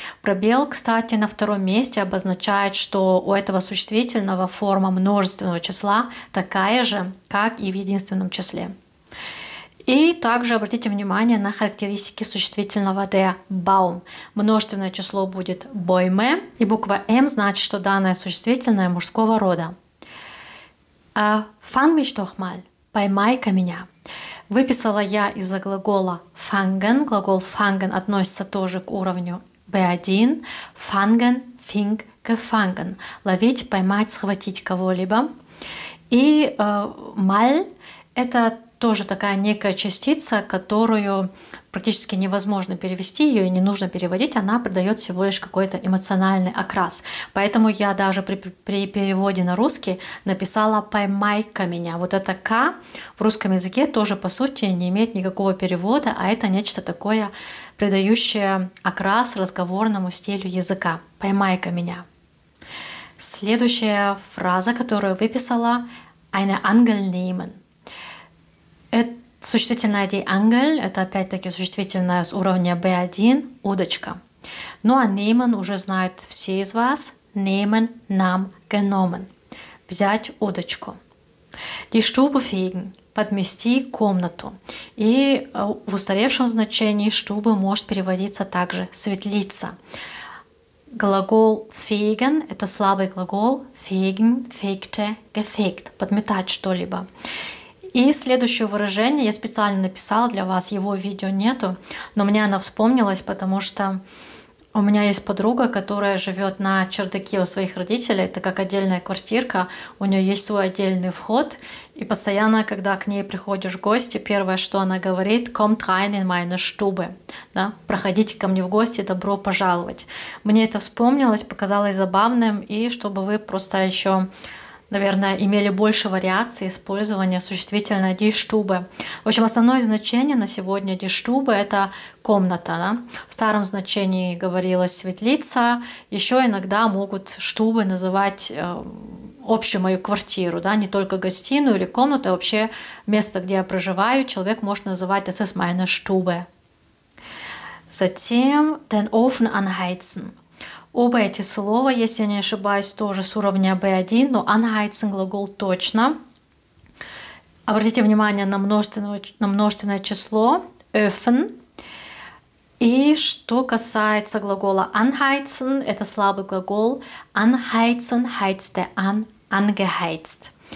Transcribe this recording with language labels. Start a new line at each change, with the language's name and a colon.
Russian: Пробел, кстати, на втором месте обозначает, что у этого существительного форма множественного числа такая же, как и в единственном числе. И также обратите внимание на характеристики существительного der Baum. Множественное число будет Bäume, и буква M значит, что данное существительное мужского рода.
German: Fang mich doch mal,
Russian: поймай-ка меня. Выписала я из-за глагола «fangen». Глагол «fangen» относится тоже к уровню B1.
German: «Fangen», «fing», «gefangen».
Russian: Ловить, поймать, схватить кого-либо. И «mal» — это тоже такая некая частица, которую практически невозможно перевести, ее и не нужно переводить, она придает всего лишь какой-то эмоциональный окрас. Поэтому я даже при переводе на русский написала «поймай-ка меня». Вот это «к» в русском языке тоже, по сути, не имеет никакого перевода, а это нечто такое, придающее окрас разговорному стилю языка. «Поймай-ка меня». Следующая фраза, которую выписала,
German: «eine Angel nehmen».
Russian: Существительное «die Angel» — это опять-таки существительное с уровня B1 — «удочка». Ну а «nehmen» уже знают все из вас.
German: «Nehmen» — «nam» — «genommen» —
Russian: «взять удочку».
German: «Die Stube fegen» —
Russian: «подмести комнату». И в устаревшем значении «Stube» может переводиться также «светлица». Глагол «fegen» — это слабый глагол «fegen», «fegte», «gefegt» — «подметать что-либо». И следующее выражение я специально написала для вас, его видео нету, но мне она вспомнилась, потому что у меня есть подруга, которая живет на чердаке у своих родителей, это как отдельная квартирка, у нее есть свой отдельный вход, и постоянно, когда к ней приходишь в гости, первое, что она говорит,
German: «Kommt rein in meine Stube»,
Russian: да? «Проходите ко мне в гости, добро пожаловать». Мне это вспомнилось, показалось забавным, и чтобы вы просто еще, наверное, имели больше вариаций использования существительного «die Stube». В общем, основное значение на сегодня «die Stube» — это комната. Да? В старом значении говорилось «светлица». Еще иногда могут «Stube» называть общую мою квартиру, да, не только гостиную или комнату, а вообще место, где я проживаю. Человек может называть
German: «das ist meine Stube».
Russian: Затем
German: «den Ofen anheizen».
Russian: Оба эти слова, если я не ошибаюсь, тоже с уровня B1, но «anheizen» — глагол точно. Обратите внимание на множественное число «öffnen». И что касается глагола «anheizen», это слабый глагол «anheizen» — «heizt der an», «angeheizt».